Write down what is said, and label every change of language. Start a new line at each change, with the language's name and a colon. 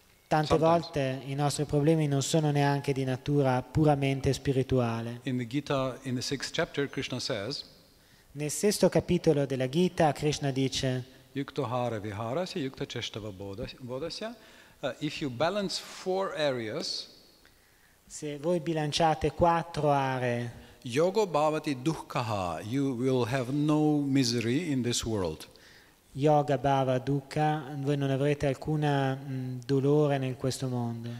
Italian: Tante volte i nostri problemi non sono neanche di natura puramente spirituale.
English: In the Gita, in the sixth chapter, Krishna says,
Italian: nel sesto capitolo della Gita, Krishna dice:
Sanskrit: Yuktohara viharasya yukta cheshtava bodhasya.
English: If you balance four areas,
Italian: se voi bilanciate quattro aree,
Sanskrit: yogo bhavati dukkha,
English: you will have no misery in this world.
Sanskrit: Yoga bhava dukkha,
Italian: voi non avrete alcuna dolore in questo mondo.